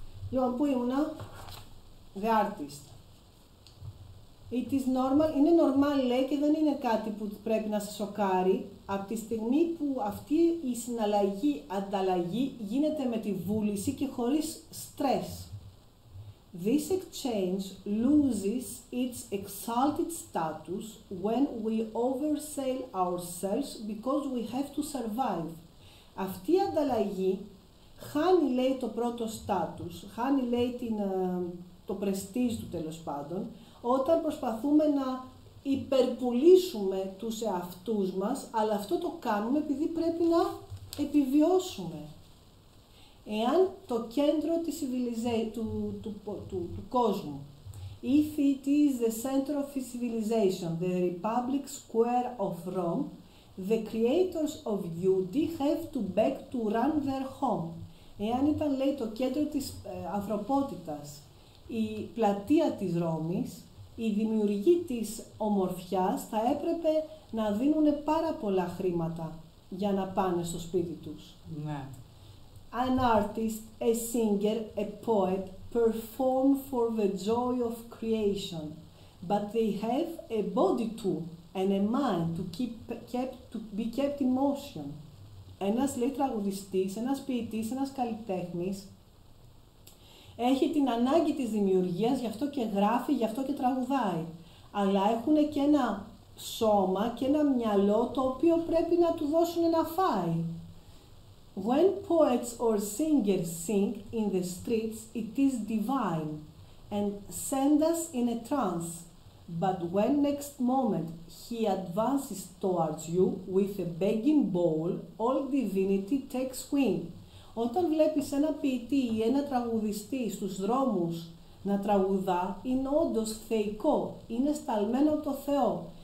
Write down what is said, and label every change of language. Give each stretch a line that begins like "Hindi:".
Greek: Λοιπόν, πού ήμουνα,
English: the artist. It is normal,
Greek: είναι normal λέει και δεν είναι κάτι που πρέπει να σε σοκάρει. Από τη στιγμή που αυτή η συναλλαγή, ανταλλαγή γίνεται με τη βούληση και χωρίς stress.
English: This exchange loses its exalted status when we oversell ourselves because we have to survive.
Greek: Αυτή η ανταλλαγή χάνει, λέει, το πρώτο στάτους, χάνει, λέει, το πρεστίζ του, τέλος πάντων, όταν προσπαθούμε να υπερπουλήσουμε τους εαυτούς μας, αλλά αυτό το κάνουμε επειδή πρέπει να επιβιώσουμε. Εάν το κέντρο της civilization, του κόσμου,
English: if it is the center of civilization, the Republic Square of Rome, the creators of beauty have to beg to run their home.
Greek: Εάν ήταν, λέει, το κέντρο της ανθρωπότητας, η πλατεία της Ρώμης, οι δημιουργοί της ομορφιάς θα έπρεπε να δίνουν πάρα πολλά χρήματα για να πάνε στο σπίτι τους. Ναι.
English: An artist, a singer, a poet perform for the joy of creation, but they have a body too. And a mind to be kept in motion.
Greek: Ένας, λέει, τραγουδιστής, ένας ποιητής, ένας καλλιτέχνης έχει την ανάγκη της δημιουργίας, γι' αυτό και γράφει, γι' αυτό και τραγουδάει. Αλλά έχουν και ένα σώμα και ένα μυαλό το οποίο πρέπει να του δώσουν να φάει.
English: When poets or singers sing in the streets, it is divine and send us in a trance. But when next moment he advances towards you with a begging bowl, all divinity takes wing.
Greek: Όταν βλέπεις ένα ποιητή ή ένα τραγουδιστή στους δρόμους να τραγουδά, είναι όντως θεϊκό, είναι σταλμένο το Θεό.